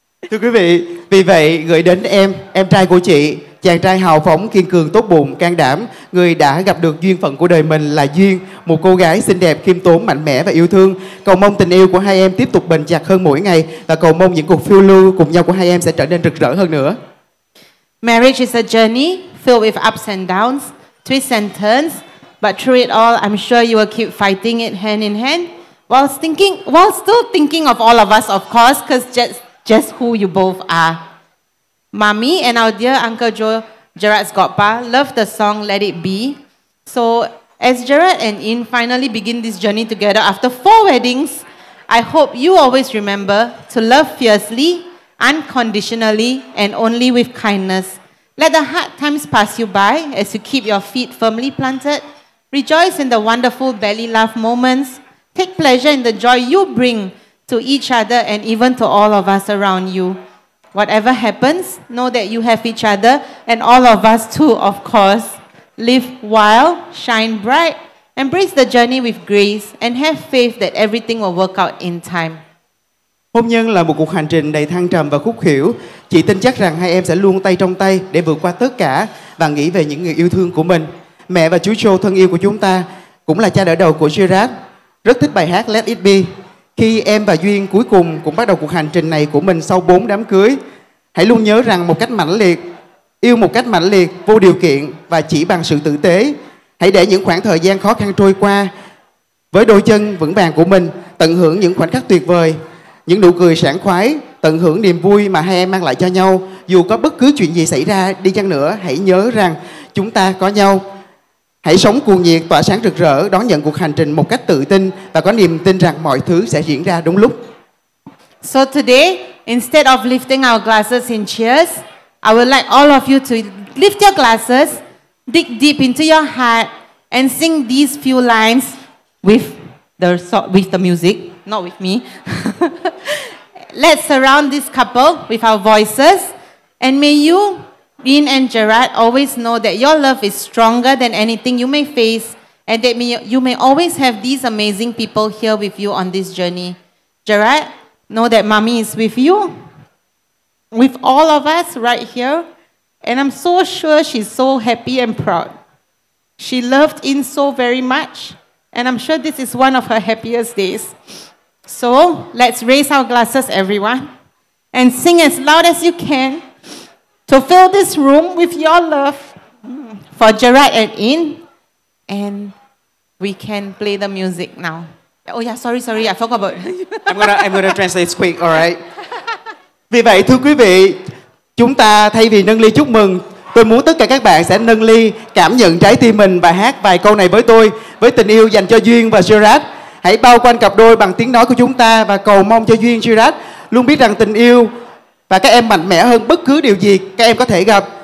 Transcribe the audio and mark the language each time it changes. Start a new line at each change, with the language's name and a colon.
Vietnamese: Thưa quý vị, vì vậy gửi đến em trai của chị, chàng trai hào phóng, kiên cường, tốt bụng, can đảm, người đã gặp được duyên phận của đời mình là Duyên, một cô gái xinh đẹp, khiêm tốn, mạnh mẽ và yêu thương. Cầu mong tình yêu của hai em tiếp tục bền chặt hơn mỗi ngày và cầu mong những cuộc phiêu lưu cùng nhau của hai em sẽ trở nên rực rỡ hơn nữa.
English: Marriage is a journey filled with ups and downs, twists and turns, but through it all, I'm sure you will keep fighting it hand in hand while still thinking of all of us, of course, because just who you both are. Mommy and our dear Uncle Joe, Gerard's godpa, love the song Let It Be. So as Gerard and Ian finally begin this journey together after 4 weddings, I hope you always remember to love fiercely, unconditionally, and only with kindness. Let the hard times pass you by as you keep your feet firmly planted. Rejoice in the wonderful belly laugh moments. Take pleasure in the joy you bring to each other and even to all of us around you. Whatever happens, know that you have each other and all of us too, of course. Live wild, shine bright, embrace the journey with grace and have faith that everything will work out in time.
Vietnamese: Hôn nhân là một cuộc hành trình đầy thăng trầm và khúc khuỷu. Chị tin chắc rằng hai em sẽ luôn tay trong tay để vượt qua tất cả và nghĩ về những người yêu thương của mình. Mẹ và chú Joe thân yêu của chúng ta cũng là cha đỡ đầu của Gerard, rất thích bài hát Let It Be. Khi em và Duyên cuối cùng cũng bắt đầu cuộc hành trình này của mình sau 4 đám cưới, hãy luôn nhớ rằng một cách mãnh liệt, yêu một cách mãnh liệt, vô điều kiện và chỉ bằng sự tử tế. Hãy để những khoảng thời gian khó khăn trôi qua với đôi chân vững vàng của mình, tận hưởng những khoảnh khắc tuyệt vời, những nụ cười sảng khoái, tận hưởng niềm vui mà hai em mang lại cho nhau. Dù có bất cứ chuyện gì xảy ra đi chăng nữa, hãy nhớ rằng chúng ta có nhau. Hãy sống cuồng nhiệt, tỏa sáng rực rỡ, đón nhận cuộc hành trình một cách tự tin và có niềm tin rằng mọi thứ sẽ diễn ra đúng lúc.
English: So today, instead of lifting our glasses in cheers, I would like all of you to lift your glasses, dig deep into your heart and sing these few lines with the music, not with me. Let's surround this couple with our voices and may you, Dean and Gerard, always know that your love is stronger than anything you may face and that you may always have these amazing people here with you on this journey. Gerard, know that mommy is with you, with all of us right here, and I'm so sure she's so happy and proud. She loved Dean so very much, and I'm sure this is one of her happiest days. So let's raise our glasses, everyone, and sing as loud as you can. So fill this room with your love for Gerard and Ian, and we can play the music now. Oh yeah, sorry, I forgot about it. I'm gonna translate this quick, alright?
Vietnamese: Vì vậy, thưa quý vị, chúng ta thay vì nâng ly chúc mừng, tôi muốn tất cả các bạn sẽ nâng ly cảm nhận trái tim mình và hát vài câu này với tôi, với tình yêu dành cho Duyên và Gerard. Hãy bao quanh cặp đôi bằng tiếng nói của chúng ta và cầu mong cho Duyên, Gerard luôn biết rằng tình yêu và các em mạnh mẽ hơn bất cứ điều gì các em có thể gặp.